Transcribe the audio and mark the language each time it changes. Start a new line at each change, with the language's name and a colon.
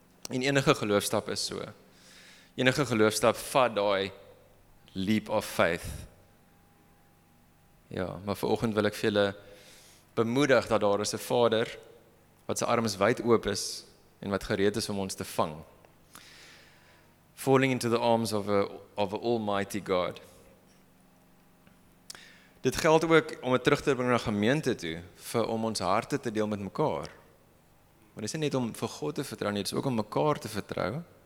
Afrikaans: En enige geloofstap is so. Enige geloofstap vat daai
English: leap of faith.
Afrikaans: Ja, maar vanoggend wil ek vir julle bemoedig dat daar is 'n Vader wat sy arms wyd oop is en wat gereed is om ons te vang.
English: Falling into the arms of an almighty God.
Afrikaans: Dit geld ook om het terug te bring na gemeente toe, om ons harte te deel met mekaar. Maar dit is nie net om vir God te vertrou nie, dit is ook om mekaar te vertrou,